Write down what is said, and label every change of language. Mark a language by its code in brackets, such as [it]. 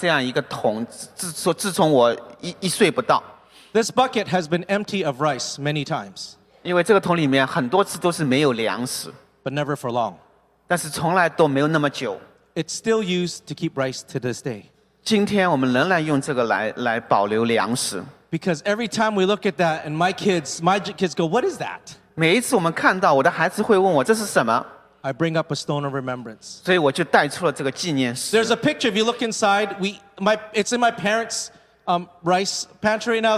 [zh] 我的父母就一直保存了这样一个桶，自从我一岁不到。 [en] This bucket has been empty of rice many times. [zh] 因为这个桶里面很多次都是没有粮食。 [en] But never for long. [zh] 但是从来都没有那么久。 [en] It's still used to keep rice to this day. [zh] 今天我们仍然用这个来保留粮食。 [en] Because every time we look at that, and my kids go, "What is that?" [zh] 每一次我们看到，我的孩子会问我，这是什么？ [en] I bring up a stone of remembrance. [zh] 所以我就带出了这个纪念石。 [en] There's a picture. If you look inside, it's in my parents' rice pantry now.